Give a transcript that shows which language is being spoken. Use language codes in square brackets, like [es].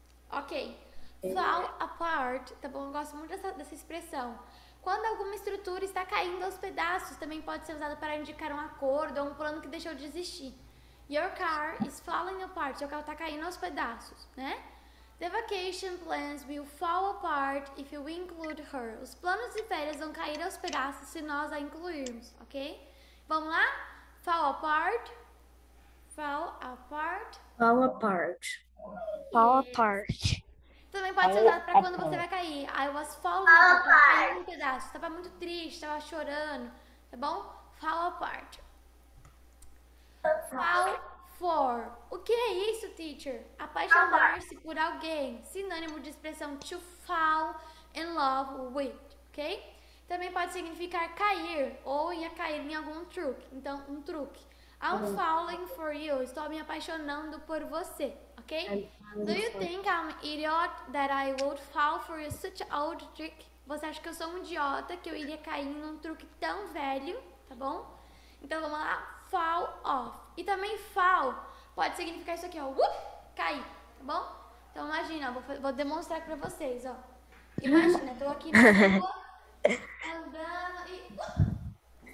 [pt] Ok. Fall apart, tá bom? Eu gosto muito dessa expressão. Quando alguma estrutura está caindo aos pedaços, também pode ser usada para indicar um acordo ou um plano que deixou de existir. [en] Your car is falling apart. [pt] Seu carro tá caindo aos pedaços, né? [en] The vacation plans will fall apart if you include her. [pt] Os planos de férias vão cair aos pedaços se nós a incluirmos, ok? Vamos lá? [en] Fall apart. Fall apart. Fall apart. Fall apart. [pt] Também pode ser usado para quando você vai cair. [en] I was falling apart. [pt] Caiu em pedaços. Estava muito triste, estava chorando, tá bom? Fall apart. Fall apart. For. O que é isso, teacher? Apaixonar-se por alguém. Sinônimo de expressão to fall in love with, ok? Também pode significar cair ou ia cair em algum truque. Então, um truque. [en] I'm falling for you. [pt] Estou me apaixonando por você, ok? [en] Do you think I'm an idiot that I would fall for you such an old trick? [pt] Você acha que eu sou um idiota que eu iria cair em um truque tão velho, tá bom? Então, vamos lá. Fall off. E também fall pode significar isso aqui, ó. Cair, tá bom? Então imagina, ó, vou demonstrar aqui pra vocês, ó. Imagina, tô aqui na rua, andando e...